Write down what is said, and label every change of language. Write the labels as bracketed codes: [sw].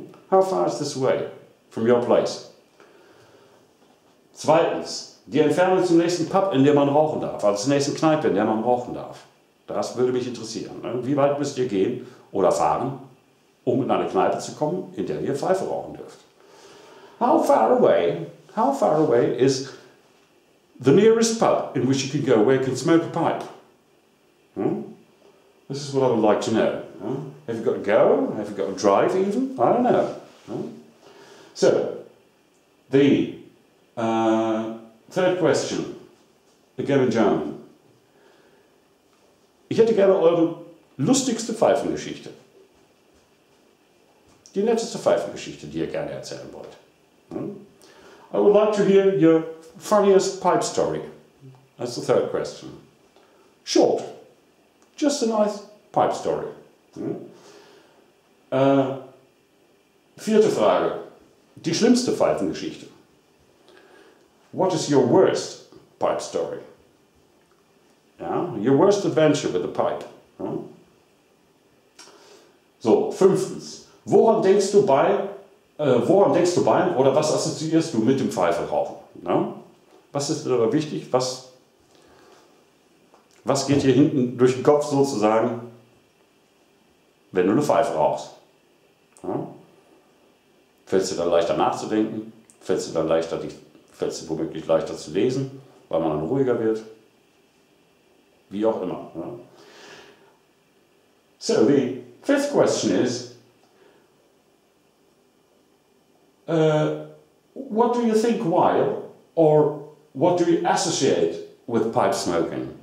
[en] How far is this away from your place? [de] Zweitens, die Entfernung zum nächsten Pub, in dem man rauchen darf, also zur nächsten Kneipe, in der man rauchen darf. Das würde mich interessieren. Ne? Wie weit müsst ihr gehen oder fahren, um in eine Kneipe zu kommen, in der ihr Pfeife rauchen dürft? [en] How far away is the nearest pub in which you can go where you can smoke a pipe? Hmm? This is what I would like to know. Hmm? Have you got to go? Have you got to drive even? I don't know. Hmm? So, the third question, again in German. [de] Ich hätte gerne eure lustigste Pfeifengeschichte. Die netteste Pfeifengeschichte, die ihr gerne erzählen wollt. Hmm? [en] I would like to hear your funniest pipe story. That's the third question. Short. Just a nice pipe story. Hm? [de] Vierte Frage. Die schlimmste Pfeifengeschichte. [en] What is your worst pipe story? Ja, your worst adventure with a pipe. Hm? So, [de] Fünftens, woran denkst du bei oder was assoziierst du mit dem Pfeife rauchen? Ne? Was ist dir wichtig? Was geht hier hinten durch den Kopf sozusagen, wenn du eine Pfeife rauchst? Ne? Fällt es dir dann leichter nachzudenken? Fällt es dir womöglich leichter zu lesen, weil man dann ruhiger wird? Wie auch immer. Ne? [en] So, the fifth question is, what do you think while or what do you associate with pipe smoking?